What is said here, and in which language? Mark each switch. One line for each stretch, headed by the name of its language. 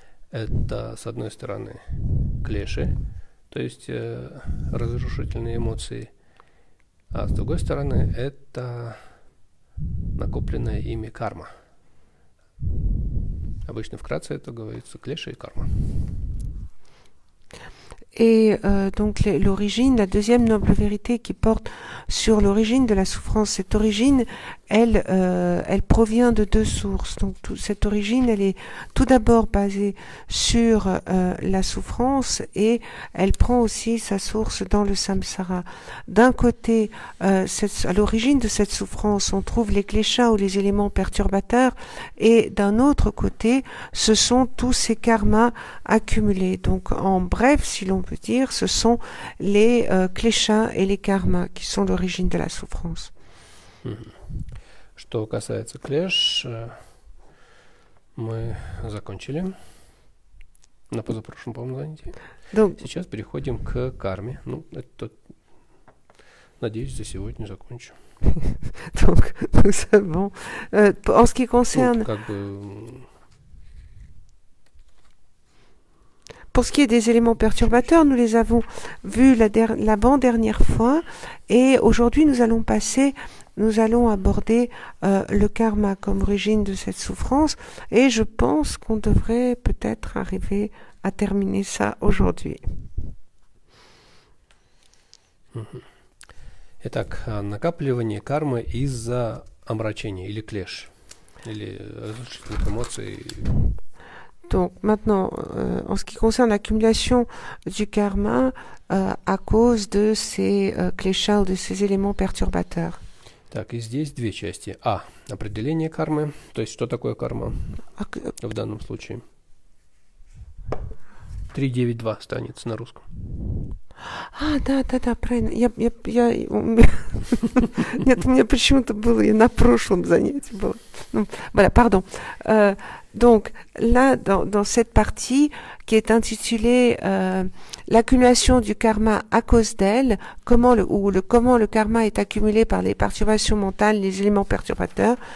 Russian: Это, с одной стороны, клеши, то есть разрушительные эмоции. А с другой стороны, это накопленная ими карма. Обычно вкратце это говорится клеши и карма.
French: Et donc l'origine, la deuxième noble vérité qui porte sur l'origine de la souffrance, cette origine, elle provient de deux sources. Donc cette origine, elle est tout d'abord basée sur la souffrance et elle prend aussi sa source dans le samsara. D'un côté, à l'origine de cette souffrance, on trouve les kleshas ou les éléments perturbateurs et d'un autre côté, ce sont tous ces karmas accumulés. Donc en bref, si l'on peut dire, ce sont les kleshas et les karmas qui sont l'origine de la souffrance.
Russian: Что касается клеш, мы закончили на позапрошлом, по-моему, занятии. Donc, сейчас переходим к карме. Ну, это, надеюсь, за сегодня закончу.
French: Donc, nous avons, en ce qui concerne...
Russian: Тут, как бы,
French: pour ce qui est des éléments perturbateurs, nous les avons vus l'avant-dernière fois et aujourd'hui nous allons aborder le karma comme origine de cette souffrance et je pense qu'on devrait peut-être arriver à terminer ça aujourd'hui.
Russian: Итак, накапливание кармы из-за омрачения или клеш, или разрушительных эмоций.
French: Donc maintenant, en ce qui concerne l'accumulation du karma à cause de ces kleshas ou de ces éléments perturbateurs.
Russian: Так, и здесь две части. А, определение кармы, то есть что такое карма в данном случае. 392 останется на русском. А, да, правильно. Нет, у меня почему-то было, я на прошлом занятии была.
French: Ну, voilà, pardon. Donc, là, dans cette partie qui est intitulée l'accumulation du karma à cause d'elle, comment le karma est accumulé par les perturbations mentales, les éléments perturbateurs.